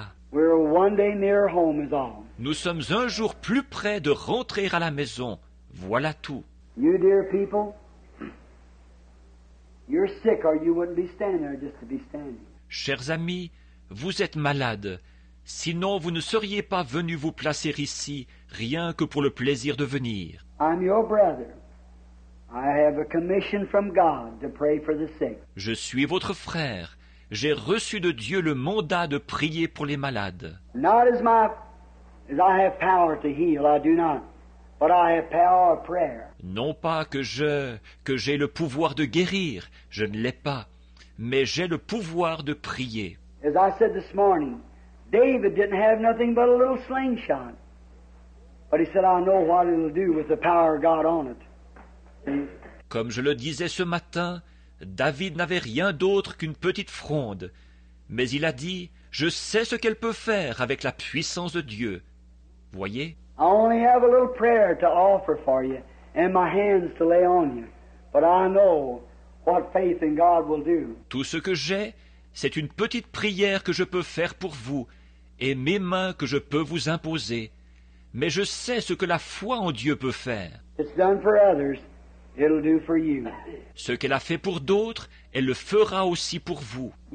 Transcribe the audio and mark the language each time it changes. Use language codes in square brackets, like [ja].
[en] We're one day near home is all. [fr] Nous sommes un jour plus près de rentrer à la maison. Voilà tout. [en] You dear people, you're sick or you wouldn't be standing there just to be standing. [fr] Chers amis, vous êtes malades. Sinon, vous ne seriez pas venus vous placer ici rien que pour le plaisir de venir. [en] I'm your brother. I have a commission from God to pray for the sick. [fr] Je suis votre frère. J'ai reçu de Dieu le mandat de prier pour les malades. [en] Not as as I have power to heal, I do not. But I have power of prayer. [fr] Non pas que j'ai le pouvoir de guérir, je ne l'ai pas, mais j'ai le pouvoir de prier. [en] As I said this morning, David didn't have nothing but a little slingshot. But he said, I know what it'll do with the power of God on it. [fr] Comme je le disais ce matin, David n'avait rien d'autre qu'une petite fronde, mais il a dit, « Je sais ce qu'elle peut faire avec la puissance de Dieu. » Voyez. [en] I only have a little prayer to offer for you and my hands to lay on you, but I know what faith in God will do. [fr] Tout ce que j'ai, c'est une petite prière que je peux faire pour vous et mes mains que je peux vous imposer, mais je sais ce que la foi en Dieu peut faire. [en] It's done for others. It'll do for you. [fr] Ce qu'elle a fait pour d'autres, elle le fera aussi pour vous.